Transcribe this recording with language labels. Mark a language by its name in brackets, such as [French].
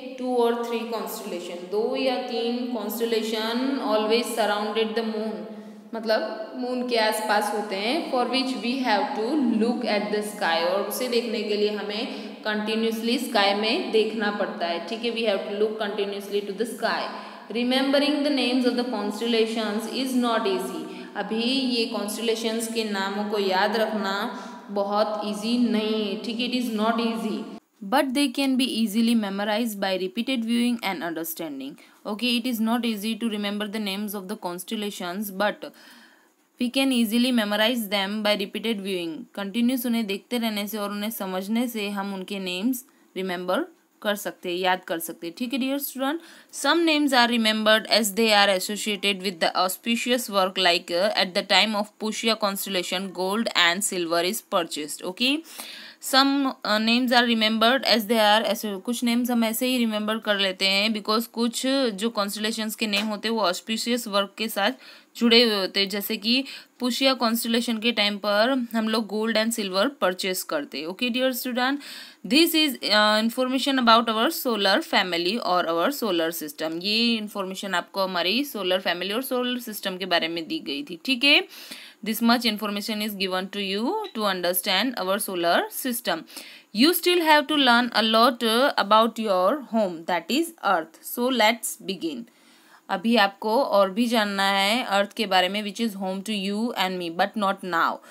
[Hindi] To और three constellation, दो या तीन constellation [English] always surrounded the moon, [Hindi] मतलब मून के आसपास होते हैं. [English] for which we have to look at the sky, [Hindi] और उसे देखने के लिए हमें कंटिन्यूसली स्काई में देखना पड़ता है. [English] ठीक है. We have to look continuously to the sky. Remembering the names of the constellations is not easy. [Hindi] अभी ये constellations के नामों को याद रखना बहुत easy नहीं है. [English] ठीक है. It is not easy. But they can be easily memorized by repeated viewing and understanding. Okay, it is not easy to remember the names of the constellations, but we can easily memorize them by repeated viewing. [Hindi] Continuous उन्हें देखते रहने से और उन्हें समझने से हम उनके names remember कर सकते हैं, याद कर सकते हैं. ठीक है. [English] Dear student, some names are remembered as they are associated with the auspicious work, like at the time of Pushya constellation gold and silver is purchased. Okay. Some names are remembered as they are, [Hindi] ऐसे कुछ names हम ऐसे ही remember कर लेते हैं because कुछ जो constellations के नेम होते हैं वो ऑस्पिशियस वर्क के साथ जुड़े हुए होते हैं. जैसे कि पुष्या कॉन्स्टिलेशन के टाइम पर हम लोग [English] gold and silver [Hindi] परचेस करते हैं. [English] Okay dear student, this is information about our solar family और our solar system. [Hindi] ये इन्फॉर्मेशन आपको हमारी सोलर फैमिली और सोलर सिस्टम के बारे में दी गई थी. ठीक है. [English] This much information is given to you to understand our solar system. You still have to learn a lot about your home, that is Earth. So let's begin. [Hindi] अभी आपको और भी जानना है Earth के बारे में, [English] which is home to you and me, but not now.